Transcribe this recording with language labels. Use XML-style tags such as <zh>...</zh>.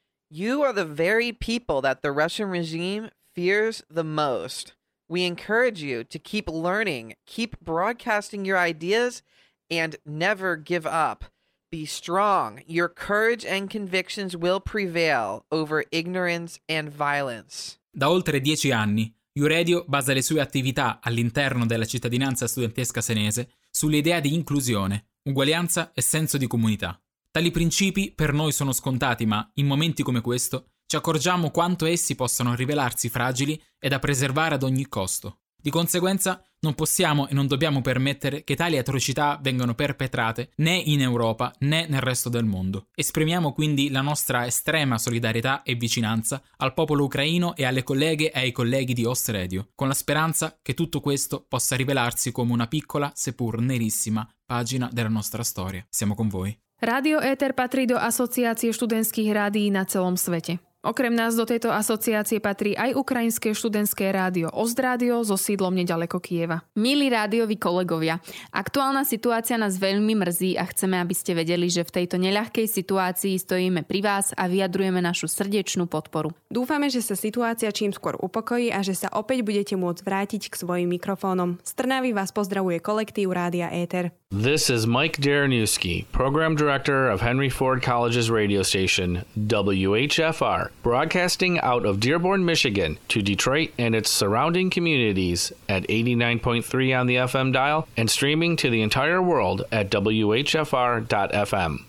<en>You are the very people that the Russian regime fears the most. We encourage you to keep learning, keep broadcasting your ideas, and never give up. Be strong. Your courage and convictions will prevail over ignorance and violence.</en> <it>Da oltre 10 anni, U-Radio basa le sue attività all'interno della cittadinanza studentesca senese sull'idea di inclusione, uguaglianza e senso di comunità. Tali principi per noi sono scontati, ma in momenti come questo ci accorgiamo quanto essi possano rivelarsi fragili e da preservare ad ogni costo. Di conseguenza, non possiamo e non dobbiamo permettere che tali atrocità vengano perpetrate né in Europa né nel resto del mondo. Esprimiamo quindi la nostra estrema solidarietà e vicinanza al popolo ucraino e alle colleghe e ai colleghi di Host Radio, con la speranza che tutto questo possa rivelarsi come una piccola, seppur nerissima, pagina della nostra storia. Siamo con voi.</it> <sk>Radio Eter patrí do asociácie študentských rádií na celom svete. Okrem nás do tejto asociácie patrí aj ukrajinské študentské rádio Ost Radio so sídlom nedaleko Kieva. Milí rádioví kolegovia, aktuálna situácia nás veľmi mrzí a chceme, aby ste vedeli, že v tejto neľahkej situácii stojíme pri vás a vyjadrujeme našu srdečnú podporu. Dúfame, že sa situácia čím skôr upokojí a že sa opäť budete môcť vrátiť k svojim mikrofónom. Z Trnavy vás pozdravuje kolektív Rádia Éter.</sk> <en>This is Mike Daranewski, Program Director of Henry Ford College's radio station, WHFR, broadcasting out of Dearborn, Michigan, to Detroit and its surrounding communities at 89.3 on the FM dial and streaming to the entire world at WHFR.FM.</en>